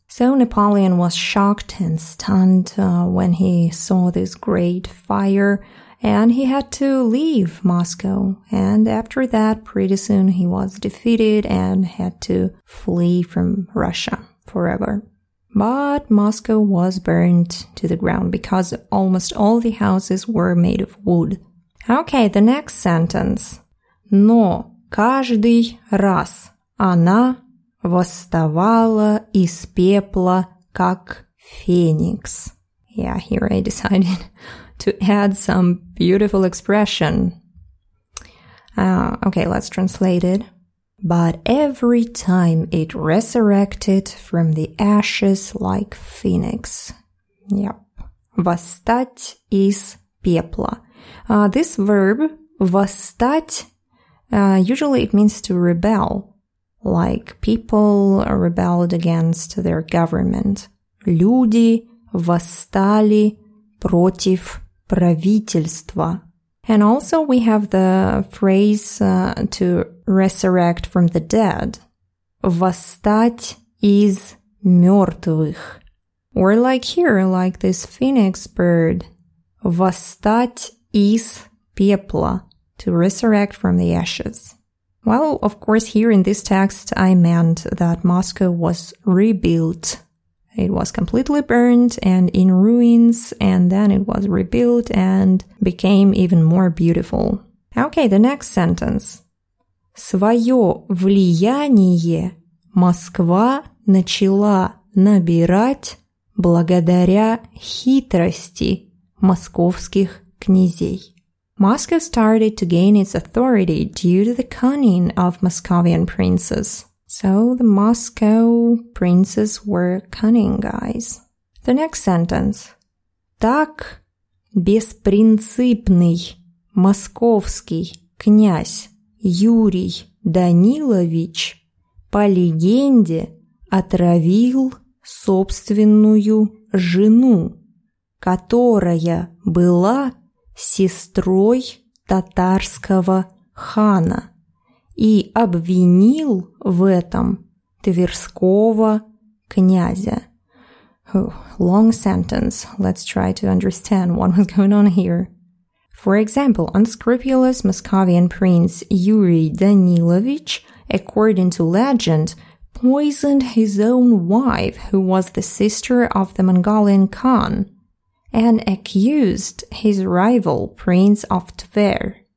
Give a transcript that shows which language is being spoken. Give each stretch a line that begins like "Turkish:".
English: So Napoleon was shocked and stunned when he saw this great fire, and he had to leave Moscow. And after that, pretty soon he was defeated and had to flee from Russia forever. But Moscow was burned to the ground because almost all the houses were made of wood. Okay, the next sentence.
Russian: Но каждый раз она восставала из пепла как феникс.
English: Yeah, here I decided to add some beautiful expression. Okay, let's translate it. But every time it resurrected from the ashes like phoenix. Yep.
Russian: Восстать из пепла.
English: This verb, восстать, usually it means to rebel. Like people rebelled against their government.
Russian: Люди восстали против правительства.
English: And also we have the phrase to resurrect from the dead.
Russian: Восстать из мертвых.
English: Or like here, like this phoenix bird.
Russian: Восстать из пепла.
English: To resurrect from the ashes. Well, of course, here in this text, I meant that Moscow was rebuilt. It was completely burned and in ruins, and then it was rebuilt and became even more beautiful. Okay, the next sentence.
Russian: Своё влияние Москва начала набирать благодаря хитрости московских князей.
English: Moscow started to gain its authority due to the cunning of Moscovian princes. So the Moscow princes were cunning guys. The next sentence.
Russian: Так беспринципный московский князь Юрий Данилович по легенде отравил собственную жену, которая была сестрой татарского хана и обвинил в этом Тверского князя.
English: Oh, long sentence. Let's try to understand what was going on here. For example, unscrupulous Moscovian prince Yuri Danilovich, according to legend, poisoned his own wife, who was the sister of the Mongolian Khan, and accused his rival, Prince of Tver.